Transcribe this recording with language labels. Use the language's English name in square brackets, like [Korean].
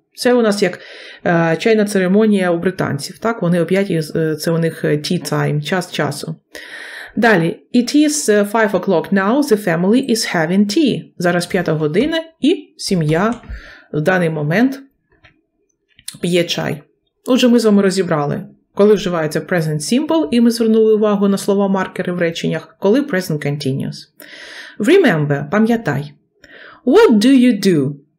[Ukrainian] Це у нас як чайна церемонія у британців, так, вони о 5, це у них tea time, час часу. Далі, [English] it is 5 o'clock now, the family is having tea. [Ukrainian] Зараз 5 година і сім'я в даний момент п'є чай. Отже, ми з вами розібрали, коли вживається present simple, і ми звернули увагу на слова-маркери в реченнях, коли present continuous. [English] Remember, [Ukrainian] пам'ятай, [English] what do you do?